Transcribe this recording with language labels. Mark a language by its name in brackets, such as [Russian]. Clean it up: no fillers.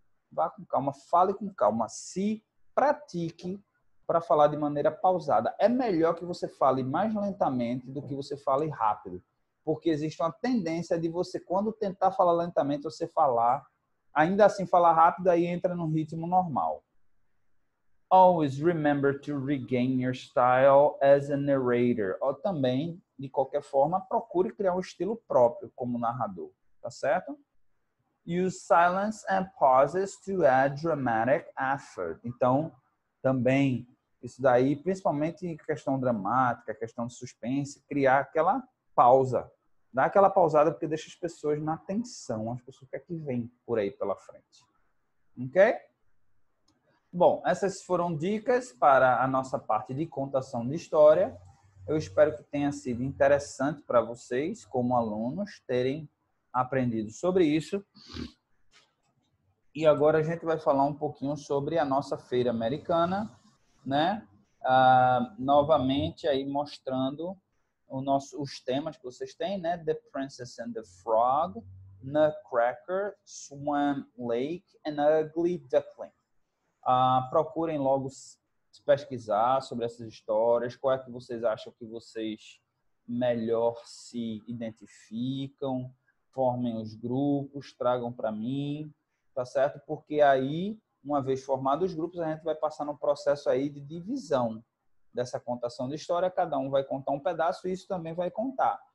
[Portuguese] Vá com calma, fale com calma, se pratique para falar de maneira pausada. É melhor que você fale mais lentamente do que você fale rápido, porque existe uma tendência de você, quando tentar falar lentamente, você falar, ainda assim falar rápido, aí entra no ritmo normal. [English] Always remember to regain your style as a narrator. [Portuguese] Ou também, de qualquer forma, procure criar um estilo próprio como narrador, tá certo? [English] Use silence and pauses to add dramatic effort. [Portuguese] Então, também, isso daí, principalmente em questão dramática, questão de suspense, criar aquela pausa. Dá aquela pausada porque deixa as pessoas na tensão, as pessoas querem que vem por aí pela frente. Ok? Bom, essas foram dicas para a nossa parte de contação de história. Eu espero que tenha sido interessante para vocês, como alunos, terem aprendido sobre isso. E agora a gente vai falar um pouquinho sobre a nossa feira americana, né? Novamente aí mostrando os temas que vocês têm, né? [English] The Princess and the Frog, Nutcracker, Swan Lake and Ugly Duckling. [Portuguese] Procurem logo se pesquisar sobre essas histórias, qual é que vocês acham que vocês melhor se identificam, formem os grupos, tragam para mim, tá certo? Porque aí, uma vez formados os grupos, a gente vai passar no processo aí de divisão dessa contação de história, cada um vai contar um pedaço e isso também vai contar.